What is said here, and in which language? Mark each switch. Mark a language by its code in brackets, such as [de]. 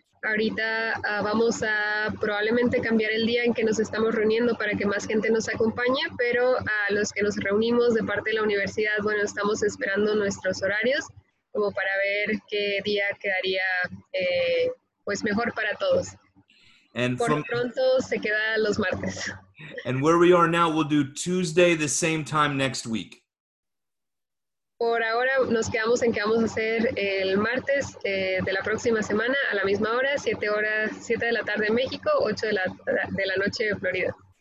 [es] Ahorita vamos a probablemente cambiar el día en que nos estamos reuniendo para que más gente nos acompañe, pero a los que nos reunimos de parte de la universidad, bueno, estamos esperando nuestros horarios como para ver qué día quedaría pues mejor para todos. [en] And [es] por [en] from, [es] pronto se queda los martes. [en] And where we are now, we'll do Tuesday the same time next week. [es] Por ahora nos quedamos en que vamos a hacer el martes de la próxima semana a la misma hora, 7 de la tarde en México, 8 de la noche en Florida.